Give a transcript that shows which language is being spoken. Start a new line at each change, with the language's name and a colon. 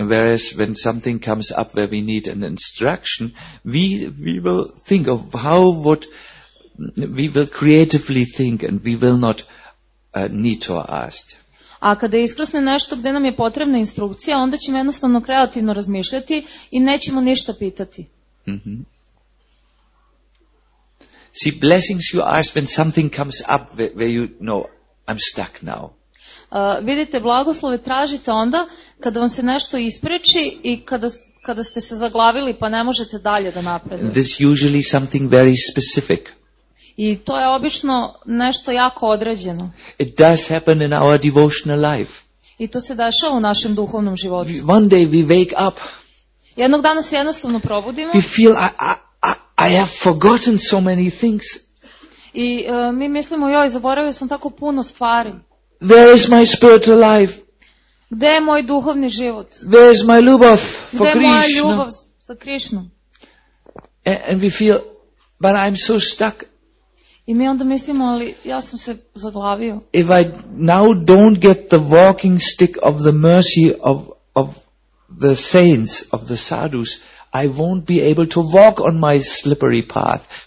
English: Whereas when something comes up where we need an instruction, we will think of how would we will creatively think and we will not need to ask.
Serbian: A kada iskrsne nešto gdje nam je potrebna instrukcija, onda ćemo jednostavno kreativno razmišljati i nećemo ništa pitati. Mm-hmm.
English: See, blessings you ask when something comes up where you know I'm stuck now.
Serbian: Vidite, blagoslove tražite onda kada vam se nešto ispreči i kada ste se zaglavili pa ne možete dalje da napredujete.
English: This usually something very specific.
Serbian: I to je obično nešto jako određeno.
English: It does happen in our devotional life.
Serbian: I to se dešava u našem duhovnom životu.
English: One day we wake up.
Serbian: Jednog dana se jednostavno probudimo.
English: We feel I have forgotten so many things.
Serbian: I mi mislimo, joj, zaboravio sam tako puno stvari.
English: Where is my spiritual life?
Serbian: Gde je moj duhovni život?
English: Where is my ljubav for Krishna?
Serbian: Gde je moja ljubav za Krišnu?
English: And we feel, but I'm so stuck.
Serbian: I mi onda mislimo, ali ja sam se zaglavio.
English: If I now don't get the walking stick of the mercy of the saints, of the sadhus, I won't be able to walk on my slippery path.